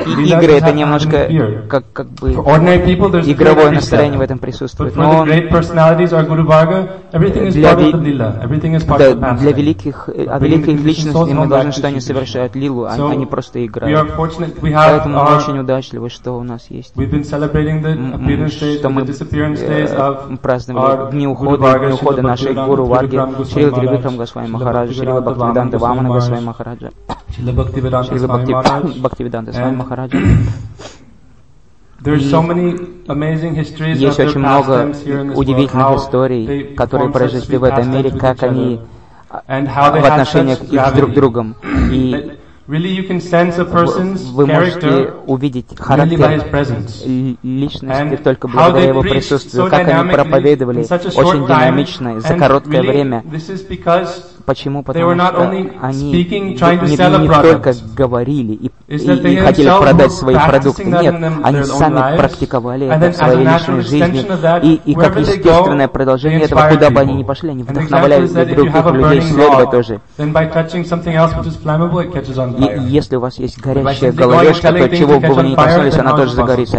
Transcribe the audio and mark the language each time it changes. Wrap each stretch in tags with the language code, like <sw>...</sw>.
<ru>Игры это немножко как бы игровое настроение в этом присутствует.</ru> <en>Но the great personalities are Guru Varga, everything is part of the lila. Everything is part of the pastime.</en> <ru>Для великих великих личностей мы должны что они совершают лилу, а не просто играют.</ru> <en>We are fortunate. We have</en> <ru>поэтому мы очень удачливы, что у нас есть.</ru> <en>We've been celebrating the appearance days, the disappearance days of our</en> <ru>дни ухода нашей Гуру Варги, Шрила Тривикрам Госвами Махараджа, Шрила Бхактивиданта Вамана Госвами Махараджа. Шрила Бхактивиданта Свами Махараджа.</ru> <en>There's so many amazing histories of their past times here in this world, how they formed such sweet past times with each other, and how they had such gravity. Really, you can sense a person's character really by his presence. And how they preached so dynamically in such a short time, and really, this is because</en> <ru>почему?</ru> <en>They were not only speaking, trying to sell a product.</en> <ru>Не только говорили и хотели продать свои продукты. Нет, они сами практиковали это в своей личной жизни. И как естественное продолжение этого, куда бы они ни пошли, они вдохновляли других людей следовать тоже. Если у вас есть горящая головешка, то чего бы вы ни коснулись, она тоже загорится.</ru>